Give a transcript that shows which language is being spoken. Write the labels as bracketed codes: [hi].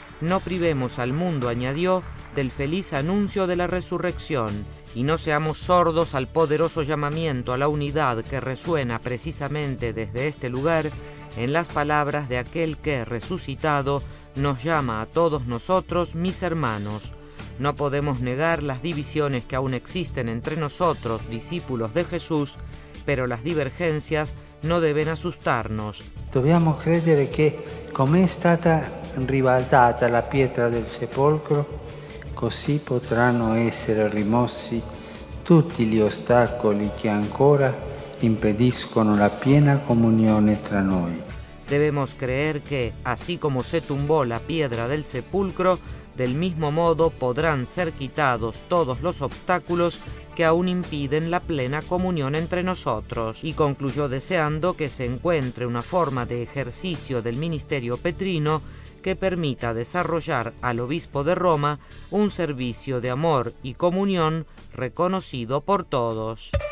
[es] No privemos al mundo, añadió, del feliz anuncio de la resurrección, y no seamos sordos al poderoso llamamiento a la unidad que resuena precisamente desde este lugar en las palabras de aquel que, resucitado, nos llama a todos nosotros, mis hermanos. No podemos negar las divisiones que aún existen entre nosotros, discípulos de Jesús, pero las divergencias no deben asustarnos. [it] Dobbiamo credere che, come è stata ribaltata la pietra del sepolcro, così potranno essere rimossi tutti gli ostacoli che ancora impediscono la piena comunione tra noi. [es] Debemos creer que, así como se tumbó la piedra del sepulcro, del mismo modo podrán ser quitados todos los obstáculos que aún impiden la plena comunión entre nosotros. Y concluyó deseando que se encuentre una forma de ejercicio del ministerio petrino que permita desarrollar al obispo de Roma un servicio de amor y comunión reconocido por todos.